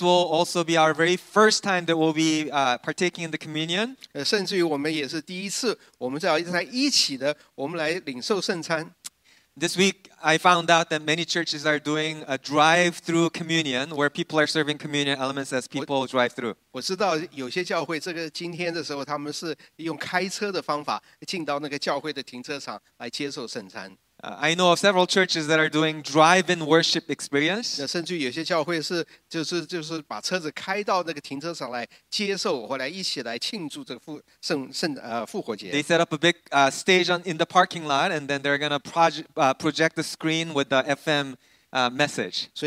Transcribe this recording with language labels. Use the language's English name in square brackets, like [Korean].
[English] will also be our very first time that we'll be partaking in the communion. [Chinese] 甚至于我们也是第一次，我们在一起的，我们来领受圣餐。 [English] This week, I found out that many churches are doing a drive-through communion where people are serving communion elements as people drive through. [Chinese] 我知道有些教会这个今天的时候，他们是用开车的方法进到那个教会的停车场来接受圣餐。 [English] I know of several churches that are doing drive-in worship experience. [Chinese] 甚至有些教会是把车子开到那个停车场来接受或来一起来庆祝这个复活节。 [English] They set up a big stage in the parking lot, and then they're going to project the screen with the FM message.